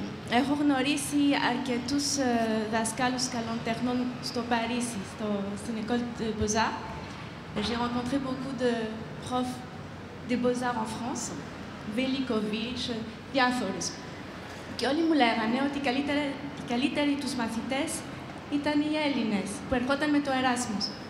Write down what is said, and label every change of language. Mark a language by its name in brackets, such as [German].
[Greek] Έχω γνωρίσει αρκετούς δασκάλους καλών τεχνών στο Παρίσι, στην École de Beaux-Arts. [French] J'ai rencontré beaucoup de profs des Beaux-Arts en France, Velikovic, [Greek] διάφορους. Και όλοι μου λέγανε ότι οι καλύτεροι τους μαθητές ήταν οι Έλληνες που ερχόταν με το Εράσμους.